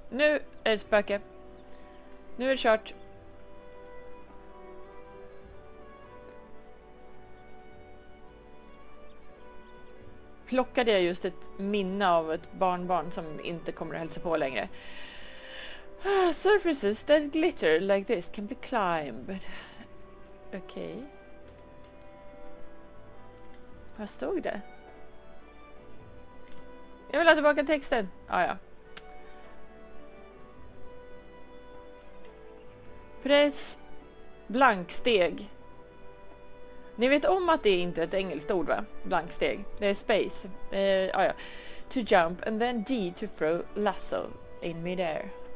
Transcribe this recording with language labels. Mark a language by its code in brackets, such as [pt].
[sv] Nu är det spöke. Nu är det kört. Plockade jag just ett minne av ett barnbarn som inte kommer att hälsa på längre. [en] Surfaces that glitter like this can be climbed. [sv] Okej. Okay. Vad stod det? Jag vill ha tillbaka texten. Ah, ja. Press blanksteg. Ni vet om att det inte är ett engelskt ord, va? Blanksteg. Det är space. Ja. [en] To jump and then D to throw lasso in midair.